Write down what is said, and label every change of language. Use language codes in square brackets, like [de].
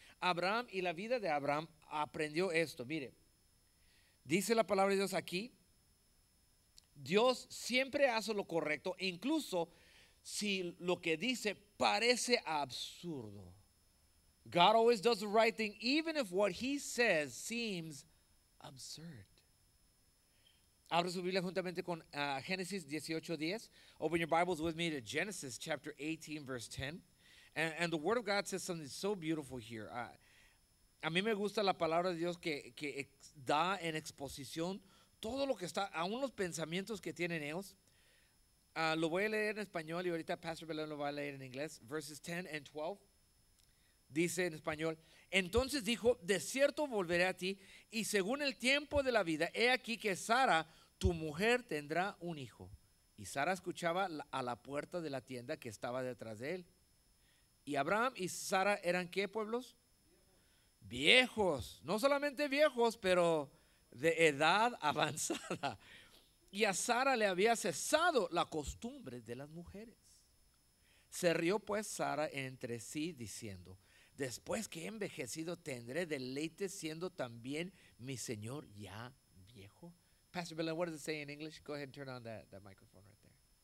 [es] Abraham y la vida de Abraham aprendió esto. Mire, dice la palabra de Dios aquí. Dios siempre hace lo correcto, incluso si lo que dice parece absurdo. [en] God always does the right thing, even if what he says seems absurd. [es] Abre su Biblia juntamente con Génesis 18:10. [en] Open your Bibles with me to Genesis chapter 18, verse 10. And the Word of God says something so beautiful here. [es] A mí me gusta la palabra de Dios que da en exposición todo lo que está, aún los pensamientos que tienen ellos. Lo voy a leer en español y ahorita Pastor Belén lo va a leer en inglés. [en] Verses 10 and 12. [es] Dice en español, entonces dijo, de cierto volveré a ti y según el tiempo de la vida, he aquí que Sara, tu mujer, tendrá un hijo. Y Sara escuchaba a la puerta de la tienda que estaba detrás de él. ¿Y Abraham y Sara eran qué pueblos? Viejos, no solamente viejos, pero de edad avanzada. Y a Sara le había cesado la costumbre de las mujeres. Se rió pues Sara entre sí diciendo, después que he envejecido tendré deleite siendo también mi señor ya viejo. [en] Pastor Belen, what does it say in English? Go ahead and turn on that microphone right there.